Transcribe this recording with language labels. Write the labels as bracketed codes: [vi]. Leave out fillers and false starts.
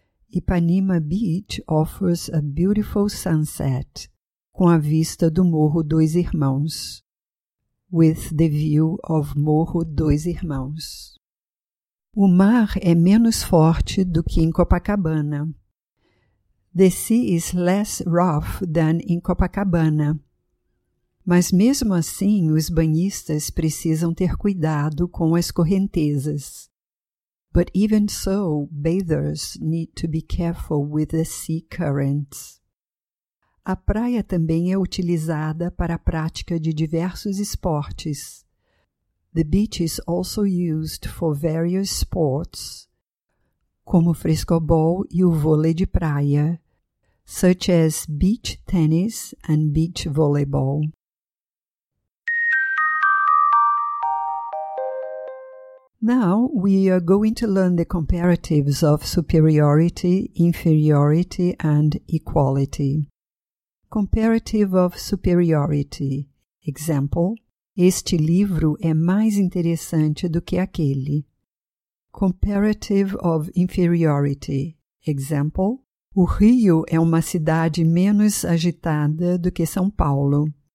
[en] Ipanema Beach offers a beautiful sunset, [pt] com a vista do Morro Dois Irmãos. [en] With the view of Morro Dois Irmãos. [pt] O mar é menos forte do que em Copacabana. [en] The sea is less rough than in Copacabana. [pt] Mas mesmo assim, os banhistas precisam ter cuidado com as correntezas. [en] But even so, bathers need to be careful with the sea currents. [pt] A praia também é utilizada para a prática de diversos esportes. [en] The beach is also used for various sports, [pt] como frescobol e o vôlei de praia, [en] such as beach tennis and beach volleyball. Now we are going to learn the comparatives of superiority, inferiority and equality. Comparative of superiority. [pt] Example, este livro é mais interessante do que aquele. [en] Comparative of inferiority. Example, [pt] o Rio é uma cidade menos agitada do que São Paulo.